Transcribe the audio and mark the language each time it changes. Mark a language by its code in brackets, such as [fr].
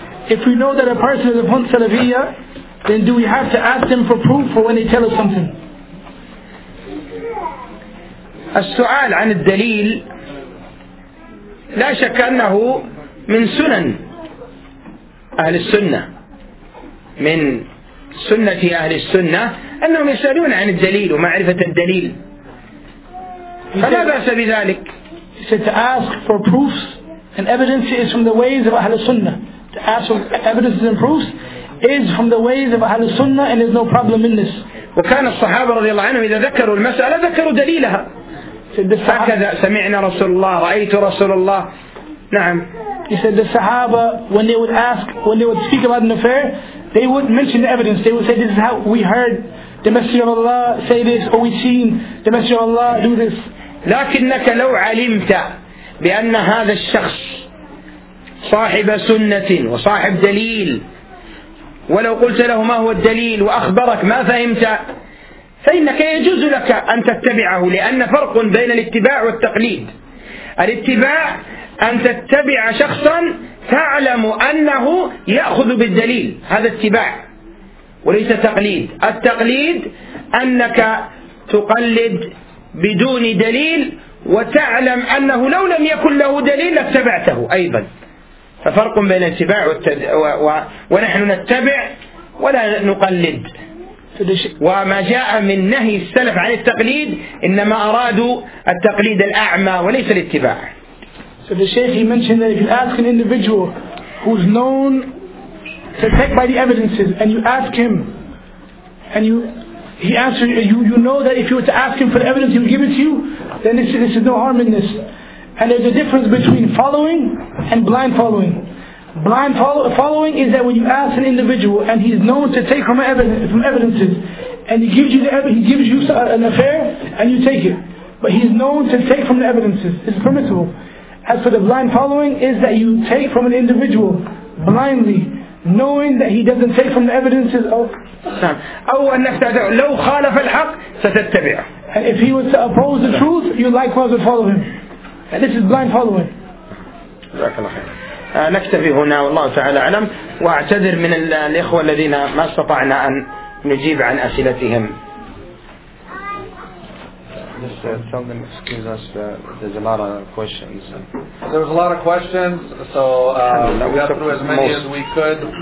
[en] If we know that a person is a Hun Salafiya, then do we have to ask them for proof for when they tell us something? [ar] السؤال عن الدليل لا شك أنه من سنن أهل السنة، من سنة أهل السنة أنهم يسألون عن الدليل ومعرفة الدليل، فلا بأس بذلك. [en] He said to ask for proofs and evidence is from the ways of أهل السنة. To ask for evidence and proofs is from the ways of أهل السنة and there's no problem in this. [ar] وكان الصحابة رضي الله عنهم إذا ذكروا المسألة ذكروا دليلها. هكذا سمعنا رسول الله، رأيت رسول الله. نعم. [en] He said the Sahaba when they would speak about an affair, they would mention the evidence. They would say this is how we heard the Messenger of Allah say this, or we've seen the Messenger of Allah do this. [ar] لكنك لو علمت بأن هذا الشخص صاحب سنة وصاحب دليل، ولو قلت له ما هو الدليل وأخبرك ما فهمت، فإنك يجوز لك أن تتبعه، لأن فرق بين الاتباع والتقليد. الاتباع أن تتبع شخصا تعلم أنه يأخذ بالدليل، هذا اتباع وليس تقليد. التقليد أنك تقلد بدون دليل وتعلم أنه لو لم يكن له دليل لاتبعته أيضا. ففرق بين الاتباع ونحن نتبع ولا نقلد. وما جاء من نهي السلف عن التقليد إنما أرادوا التقليد الأعمى وليس الاتباع. [en] So the Sheikh, he mentioned that if you ask an individual who's known to take by the evidences, and you ask him, and you, he answers you, you know that if you were to ask him for the evidence, he'll give it to you, then this is no harm in this. And there's a difference between following and blind following. Blind following is that when you ask an individual and he's known to take from evidences, and he gives you an affair and you take it, but he's known to take from the evidences, it's permissible. As for the blind following, is that you take from an individual blindly, knowing that he doesn't take from the evidences of. [ar] أو أن نفتح لو خالف الحق ستتبع. [en] And if he was to oppose the truth, you likewise would follow him. And this is blind following. [ar] جزاك الله خير. نكتفي هنا والله تعالى أعلم، وأعتذر من الإخوة الذين ما استطعنا أن نجيب عن أسئلتهم. [en] Just tell them, excuse us, there's a lot of questions. There was a lot of questions, so we got through as many as we could.